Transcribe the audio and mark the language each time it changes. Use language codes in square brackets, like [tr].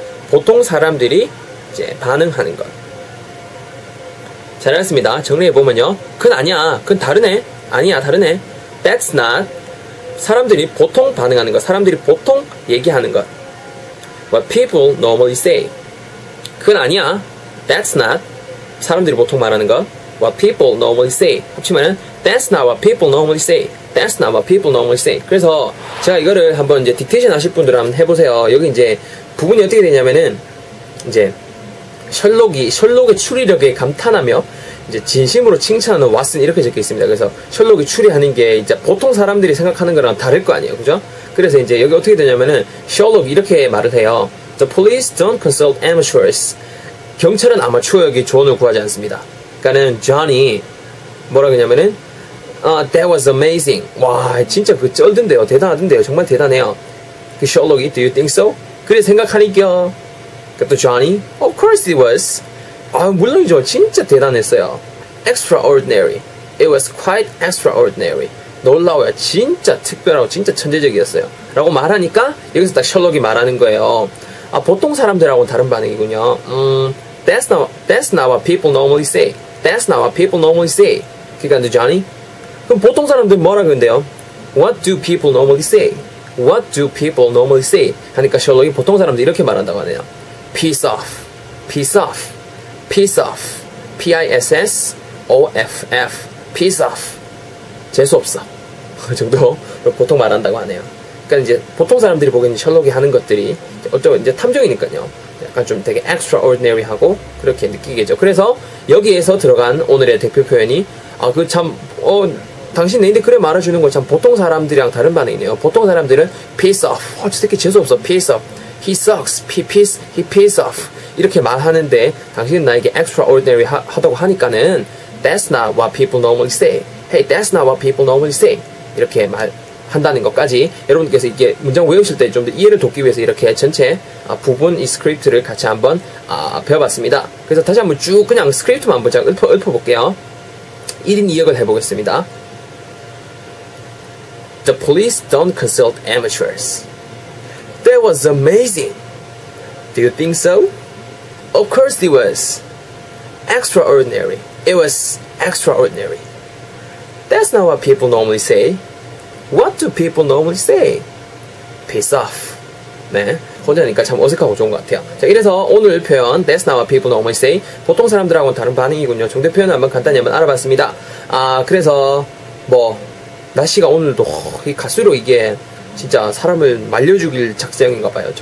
[ko] 보통 사람들이 이제 반응하는 것. 잘하셨습니다. 정리해보면요. 그건 아니야. 그건 다르네. 아니야. 다르네. [en] That's not. [ko] 사람들이 보통 반응하는 것. 사람들이 보통 얘기하는 것. [en] What people normally say. [ko] 그건 아니야. [en] That's not. [ko] 사람들이 보통 말하는 것. [en] What people normally say. 합치면은 That's not what people normally say. That's not what people normally say. [ko] 그래서 제가 이거를 한번 이제 딕테이션 하실 분들 한번 해보세요. 여기 이제 부분이 어떻게 되냐면은 이제 셜록이 셜록의 추리력에 감탄하며 이제 진심으로 칭찬하는 왓슨 이렇게 적혀 있습니다. 그래서 셜록이 추리하는 게 이제 보통 사람들이 생각하는 거랑 다를 거 아니에요, 그죠? 그래서 이제 여기 어떻게 되냐면은 셜록 이렇게 말을 해요. [en] The police don't consult amateurs. [ko] 경찰은 아마추어에게 조언을 구하지 않습니다. 그러니까는 존이 뭐라고 하냐면은 [en] that was amazing. [ko] 와 진짜 그 쩔든데요, 대단하던데요, 정말 대단해요. 그 셜록이 [en] do you think so? [ko] 그래 생각하니까요. 그러니까 또 존이 [en] of course it was. [ko] 아 물론이죠, 진짜 대단했어요. [en] Extraordinary. It was quite extraordinary. [ko] 놀라워요, 진짜 특별하고 진짜 천재적이었어요 라고 말하니까 여기서 딱 셜록이 말하는 거예요. 아 보통 사람들하고 다른 반응이군요. That's not what people normally say. That's not what people normally say. 그러니까 또 Johnny, 그럼 보통 사람들 뭐라 그런데요? [en] What do people normally say? What do people normally say? [ko] 하니까 셜록이 보통 사람들 이렇게 말한다고 하네요. [en] Piss off. Piss off. Piss off. P-I-S-S-O-F-F. Piss off. [ko] 재수없어. 그 정도로 보통 말한다고 하네요. 그러니까 이제 보통 사람들이 보기에는 셜록이 하는 것들이 어쩌면 이제 탐정이니까요. 약간 좀 되게 extraordinary 하고 그렇게 느끼겠죠. 그래서 여기에서 들어간 오늘의 대표 표현이 아 그 참 당신 내인데 그래 말해주는 거 참 보통 사람들이랑 다른 반응이네요. 보통 사람들은 [en] piss off. [ko] 어 저 새끼 재수없어. [en] piss off. He sucks. He piss off. [ko] 이렇게 말하는데 당신은 나에게 extraordinary 하다고 하니까는 [en] that's not what people normally say. Hey, that's not what people normally say. [ko] 이렇게 말 한다는 것까지 여러분께서 이게 문장 외우실 때 좀 더 이해를 돕기 위해서 이렇게 전체 부분 이 스크립트를 같이 한번 배워봤습니다. 그래서 다시 한번 쭉 그냥 스크립트만 한번 잠깐 읊어볼게요. 1인 2역을 해보겠습니다. [en] The police don't consult amateurs. That was amazing. Do you think so? Of course it was. Extraordinary. It was extraordinary. That's not what people normally say. What do people normally say? Piss off. [ko] 네, 혼자니까 참 어색하고 좋은 것 같아요. 자, 이래서 오늘 표현 [en] That's not what people normally say. [ko] 보통 사람들하고는 다른 반응이군요. 정대 표현을 한번 간단히 한번 알아봤습니다. 아, 그래서 뭐 날씨가 오늘도 이 갈수록 이게 진짜 사람을 말려 죽일 작정인가 봐요.